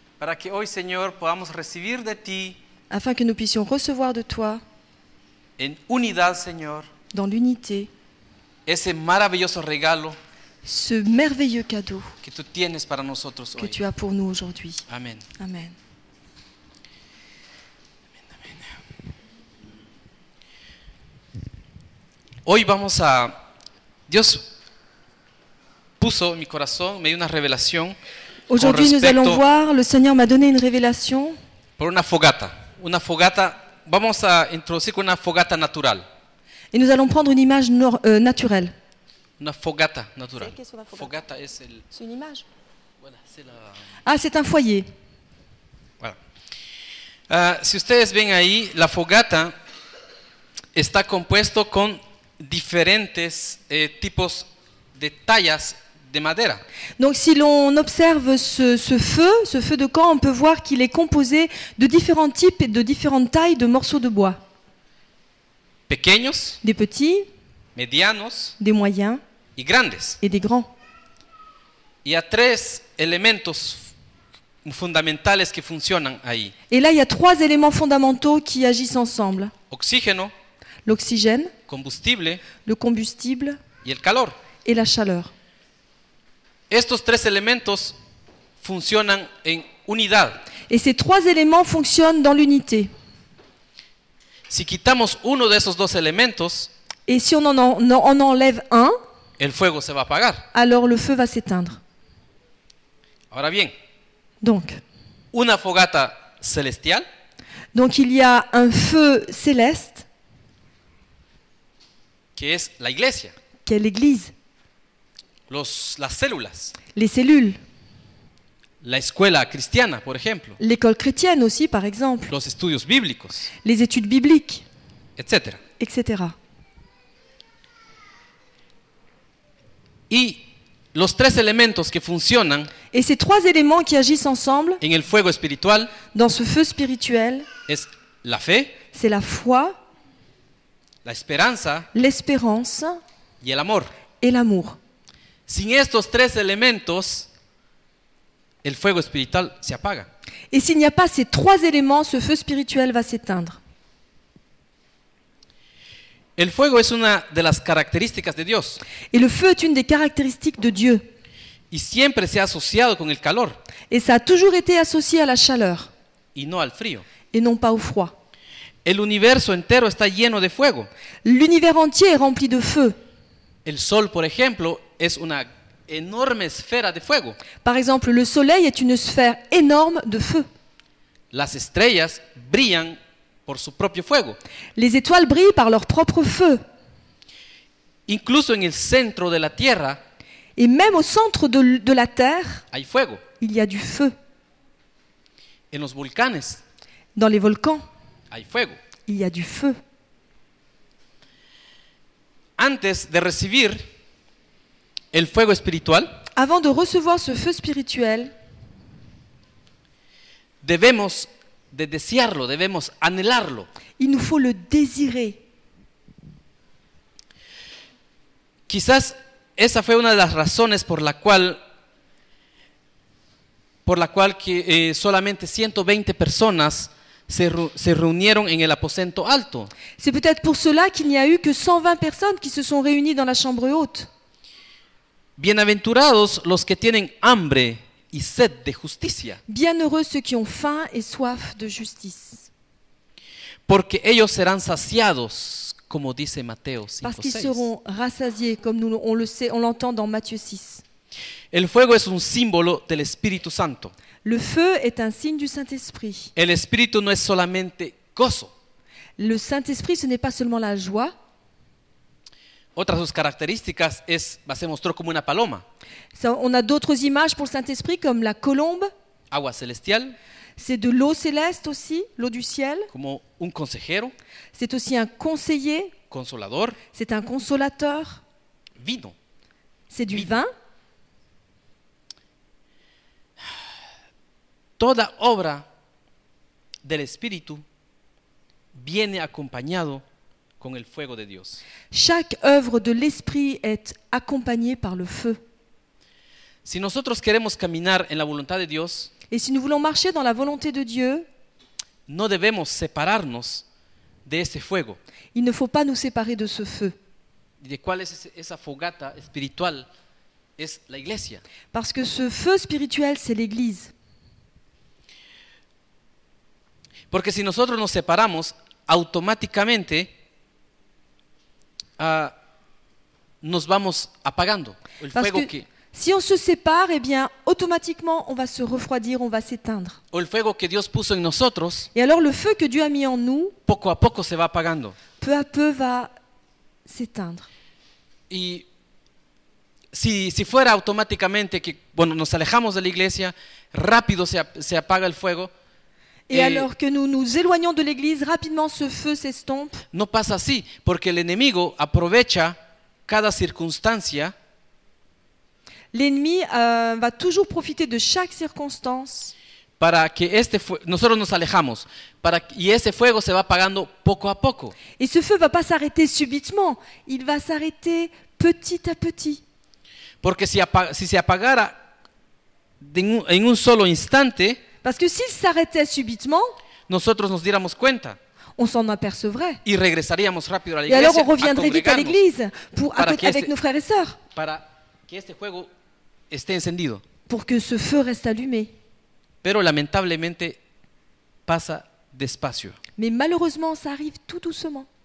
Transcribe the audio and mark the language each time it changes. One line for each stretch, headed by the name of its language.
Spanish: Para que hoy, Señor, podamos recibir de ti.
French: Afin que nous puissions recevoir de toi.
Spanish: En unidad, Señor.
French: Dans l'unité.
Spanish: Ese maravilloso regalo.
French: Ce merveilleux cadeau.
Spanish: Que tú tienes para nosotros que hoy.
French: Tu as pour nous aujourd'hui.
Spanish: Amen.
French: Amen.
Spanish: Amen, amen. Hoy vamos a Dios. Puso mi corazón, me dio una revelación.
French: Aujourd'hui, nous allons voir. Le Seigneur m'a donné une révélation.
Spanish: Por una fogata, una fogata. Vamos a introducir con una fogata natural.
French: Et nous allons prendre une image naturelle.
Spanish: Una fogata natural.
French: C'est quoi,
Spanish: una fogata? Fogata es el.
French: C'est une image. Voilà, c'est la. Ah, c'est un foyer. Voilà.
Spanish: Si ustedes ven ahí, la fogata está compuesto con diferentes tipos de tallas de madera.
French: Donc si l'on observe ce feu de camp, on peut voir qu'il est composé de différents types et de différentes tailles de morceaux de bois.
Spanish: Pequeños,
French: des petits,
Spanish: medianos,
French: des moyens
Spanish: y grandes.
French: Et des grands.
Spanish: Y a tres elementos fundamentales que funcionan ahí.
French: Et là, il y a trois éléments fondamentaux qui agissent ensemble.
Spanish: Oxígeno,
French: l'oxygène,
Spanish: combustible,
French: le combustible
Spanish: y el calor.
French: Et la chaleur.
Spanish: Estos tres elementos funcionan en unidad.
French: Et ces trois éléments fonctionnent dans l'unité.
Spanish: Si quitamos uno de esos dos elementos,
French: et si on en enlève un,
Spanish: el fuego se va a apagar.
French: Alors le feu va s'éteindre.
Spanish: Ahora bien,
French: donc,
Spanish: una fogata celestial.
French: Donc il y a un feu céleste.
Spanish: Que es la iglesia.
French: Qui est l'église.
Spanish: Las células.
French: Les cellules.
Spanish: La escuela cristiana, por ejemplo.
French: L'école chrétienne aussi, par exemple.
Spanish: Los estudios bíblicos.
French: Les études bibliques.
Spanish: Etc.
French: Etc.
Spanish: Y los tres elementos que funcionan.
French: Et ces trois éléments qui agissent ensemble.
Spanish: En el fuego espiritual.
French: Dans ce feu spirituel.
Spanish: Es la fe.
French: C'est la foi.
Spanish: La esperanza.
French: L'espérance.
Spanish: Y el amor.
French: Et l'amour.
Spanish: Sin estos tres elementos, el fuego espiritual se apaga.
French: Et s'il n'y a pas ces trois éléments, ce feu spirituel va s'éteindre.
Spanish: El fuego es una de las características de Dios.
French: Et le feu est une des caractéristiques de Dieu.
Spanish: Y siempre se ha asociado con el calor.
French: Et ça a toujours été associé à la chaleur.
Spanish: Y no al frío.
French: Et non pas au froid.
Spanish: El universo entero está lleno de fuego.
French: L'univers entier est rempli de feu.
Spanish: El sol, por ejemplo, es una enorme esfera de fuego.
French: Par exemple, le soleil est une sphère énorme de feu.
Spanish: Las estrellas brillan por su propio fuego.
French: Les étoiles brillent par leur propre feu.
Spanish: Incluso en el centro de la tierra,
French: et même au centre de la terre,
Spanish: hay fuego.
French: Il y a du feu.
Spanish: En los volcanes,
French: dans les volcans,
Spanish: hay fuego.
French: Il y a du feu.
Spanish: Antes de recibir el fuego espiritual,
French: avant de recevoir ce feu spirituel,
Spanish: debemos de desearlo, debemos anhelarlo.
French: Il nous faut le désirer.
Spanish: Quizás esa fue una de las razones por la cual que solamente 120 personas se reunieron en el aposento alto.
French: C'est peut-être pour cela qu'il n'y a eu que 120 personnes qui se sont réunies dans la chambre haute.
Spanish: Bienaventurados los que tienen hambre y sed de justicia.
French: Bienheureux ceux qui ont faim et soif de justice.
Spanish: Porque ellos serán saciados, como dice Mateo 5:6.
French: Parce qu'ils seront rassasiés, comme nous on le sait, on l'entend dans Matthieu 6.
Spanish: El fuego es un símbolo del Espíritu Santo.
French: Le feu est un signe du Saint-Esprit.
Spanish: El Espíritu no es solamente gozo.
French: Le Saint-Esprit, ce n'est pas seulement la joie.
Spanish: Otra de sus características es, se mostró como una paloma.
French: On a d'autres images pour le Saint-Esprit, comme la colombe.
Spanish: Agua celestial.
French: C'est de l'eau céleste aussi, l'eau du ciel.
Spanish: Como un consejero.
French: C'est aussi un conseiller.
Spanish: Consolador.
French: C'est un consolateur.
Spanish: Vino.
French: C'est du vino. Vin.
Spanish: Toda obra del Espíritu viene acompañado con el fuego de Dios.
French: Chaque œuvre de l'Esprit est accompagnée par le feu.
Spanish: Si nosotros queremos caminar en la voluntad de Dios,
French: et si nous voulons marcher dans la volonté de Dieu,
Spanish: no debemos separarnos de ese fuego.
French: Il ne faut pas nous séparer de ce feu.
Spanish: ¿De cuál es esa fogata espiritual? Es la iglesia.
French: Parce que ce feu spirituel, c'est l'Église.
Spanish: Porque si nosotros nos separamos, automáticamente nos vamos apagando. El
French: Parce
Spanish: fuego
French: que si on se sépare, eh bien, automatiquement, on va se refroidir, on va s'éteindre.
Spanish: El fuego que Dios puso en nosotros,
French: et alors, le feu que Dieu a mis en nous,
Spanish: poco a poco se va apagando.
French: Peu à peu, va s'éteindre.
Spanish: Y si fuera automáticamente que bueno, nos alejamos de la iglesia, rápido se apaga el fuego.
French: Et alors que nous nous éloignons de l'église, rapidement ce feu s'estompe.
Spanish: No pasa así, porque el enemigo aprovecha cada circunstancia.
French: L'ennemi va toujours profiter de chaque circonstance.
Spanish: Para que este nosotros nos alejamos, para y ese fuego se va apagando poco a poco.
French: Et ce feu va pas s'arrêter subitement, il va s'arrêter petit à petit.
Spanish: Porque si se apagara en un solo instante,
French: parce que s'il s'arrêtait subitement,
Spanish: nosotros nos diéramos cuenta,
French: on s'en apercevrait.
Spanish: Y regresaríamos rápido a la
French: iglesia. Et alors on reviendrait vite à l'église pour avec nos frères et sœurs.
Spanish: Para que este fuego esté encendido.
French: Pour que ce feu reste allumé.
Spanish: Pero lamentablemente pasa despacio.
French: Mais malheureusement, ça arrive tout doucement.